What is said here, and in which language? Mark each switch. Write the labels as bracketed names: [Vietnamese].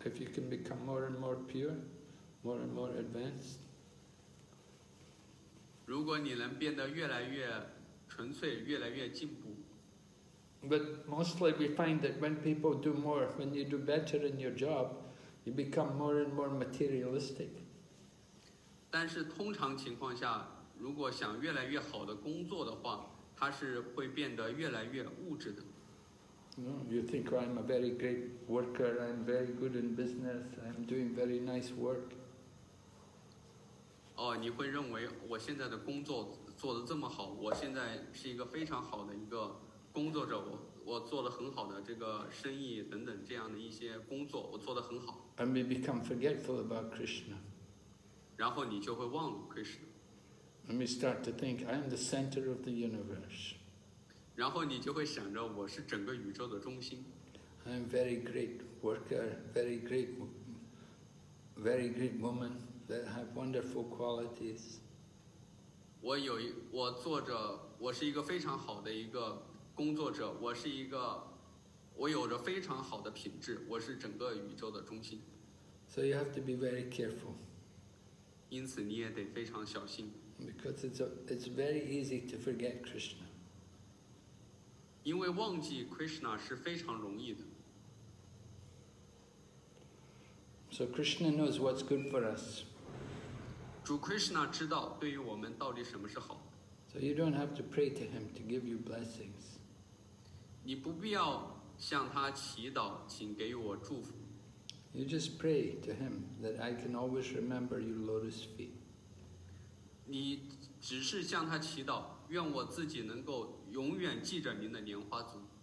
[English] If you can become more and more pure,more and more advanced. [Chinese] 如果你能变得越来越纯粹，越来越进步。 [English] But mostly we find that when people do more, when you do better in your job, you become more and more materialistic. [Chinese] 但是通常情况下，如果想越来越好的工作的话，它是会变得越来越物质的。 [English] You think I'm a very great worker, I'm very good in business, I'm doing very nice work. [Chinese] 哦，你会认为我现在的工作做得这么好，我现在是一个非常好的一个工作者，我做了很好的这个生意等等这样的一些工作，我做得很好。 [English] And we become forgetful about Krishna. [Chinese] 然后你就会忘了 Krishna. [English] And we start to think I am the center of the universe. [Chinese] 然后你就会想着我是整个宇宙的中心。 [English] I am very great worker, very great, very great woman. That have wonderful qualities. [Chinese] 我做着，我是一个非常好的一个工作者，我是一个，我有着非常好的品质，我是整个宇宙的中心。 [English] So you have to be very careful. [Chinese] 因此你也得非常小心。 [English] Because it's very easy to forget Krishna. [Chinese] 因为忘记 Krishna 是非常容易的。 [English] So Krishna knows what's good for us. [Chinese] 主 Krishna 知道对于我们到底什么是好。 [English] So you don't have to pray to him to give you blessings. [Chinese] 你不必要向他祈祷，请给我祝福。 [English] You just pray to him that I can always remember your lotus feet. [Chinese] 你只是向他祈祷，愿我自己能够永远记着您的莲花足。